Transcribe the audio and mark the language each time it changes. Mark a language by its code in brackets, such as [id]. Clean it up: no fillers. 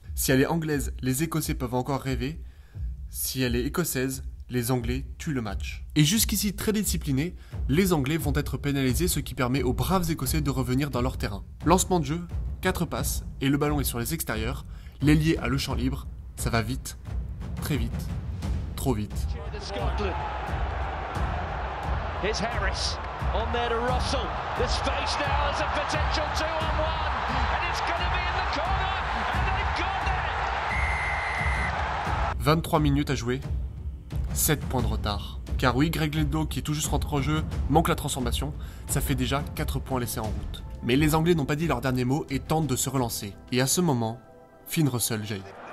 [fr] Si elle est anglaise, les Écossais peuvent encore rêver. Si elle est écossaise, les Anglais tuent le match. Et jusqu'ici très disciplinés, les Anglais vont être pénalisés, ce qui permet aux braves Écossais de revenir dans leur terrain. Lancement de jeu, 4 passes, et le ballon est sur les extérieurs. L'ailier a le champ libre, ça va vite, très vite, trop vite. [en] Here's Harris, on there to Russell. The space now is a potential 2-on-1, and it's gonna be in the corner, and they've got it. [fr] 23 minutes à jouer. 7 points de retard. Car oui, Greg Lindlow, qui est tout juste rentré en jeu, manque la transformation, ça fait déjà 4 points laissés en route. Mais les Anglais n'ont pas dit leur dernier mot et tentent de se relancer. Et à ce moment, Finn Russell jaillit.